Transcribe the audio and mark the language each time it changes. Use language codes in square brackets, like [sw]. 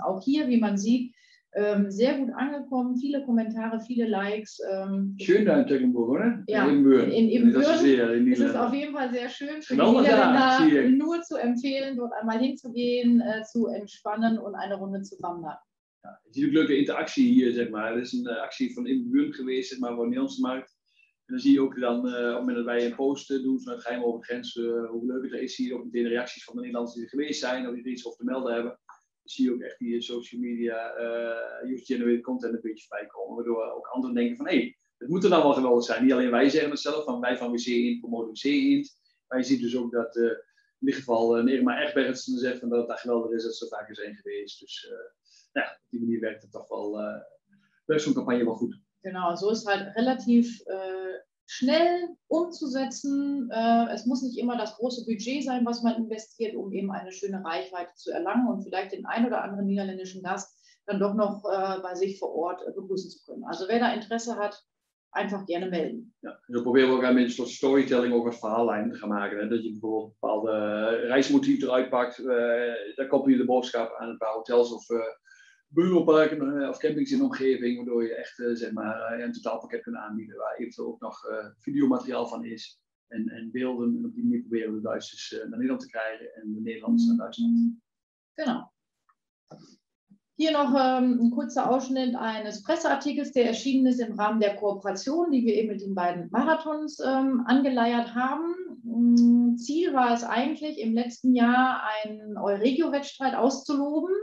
[de] Auch hier, wie man sieht, sehr gut angekommen, viele Kommentare, viele Likes. Schön da in Tecklenburg, oder? Ja, in Ibbenbüren. Es ist auf jeden Fall sehr schön für die Niederländer, nur zu empfehlen, dort einmal hinzugehen, zu entspannen und eine Runde zu wandern. [nl] Het is natuurlijk leuke interactie hier, zeg maar. Het is een actie van in de buurt geweest, zeg maar, voor de Nederlandse markt. En dan zie je ook dan, op het moment dat wij een post doen, zo'n geheim over grenzen, hoe leuk het is hier, ook meteen reacties van de Nederlanders die er geweest zijn, of die er iets over te melden hebben. Dan zie je ook echt die social media, user-generated content een beetje voorbij komen, waardoor ook anderen denken van, hé, het moet er dan wel geweldig zijn. Niet alleen wij zeggen het zelf, van wij van WC-Int promoten WC-Int. Maar je ziet dus ook dat, in ieder geval, Nirma Egbergens zegt van dat het daar geweldig is, dat ze er vaker zijn geweest. Dus, op die manier werkt het toch wel, werkt zo'n campagne wel goed. [de] Genau, so ist halt relativ schnell umzusetzen. Es muss nicht immer das große Budget sein, was man investiert, um eben eine schöne Reichweite zu erlangen und vielleicht den ein oder anderen niederländischen Gast dann doch noch bei sich vor Ort begrüßen zu können. Also wer da Interesse hat, einfach gerne melden. Ja, wir probieren auch ein bisschen Storytelling auch als Verhaallijn zu machen, [nl] dass ihr bijvoorbeeld bepaalde Reismotiv eruit packt, [de] dann kopiert ihr die [nl] Boodschap [de] an ein paar Hotels [nl] of bungalowparken of campings in de omgeving, waardoor je echt zeg maar, een totaalpakket kunt aanbieden waar eventueel ook nog videomateriaal van is en beelden. En op die manier proberen we de Duitsers naar Nederland te krijgen en de Nederlanders naar Duitsland. [de] Genau. Hier nog een kurzer Ausschnitt eines Presseartikels, der erschienen ist im Rahmen der Kooperation, die wir eben mit den beiden Marathons angeleiert haben. Ziel war es eigentlich, im letzten Jahr einen Euregio-Wettstreit auszuloben.